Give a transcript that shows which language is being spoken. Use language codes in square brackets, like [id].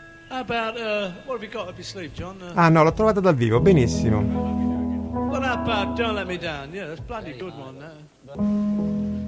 [en] About what have you got up your sleeve, John? [it] No, l'ho trovata dal vivo, benissimo. [en] What about Don't Let Me Down? Yeah, that's a bloody good one.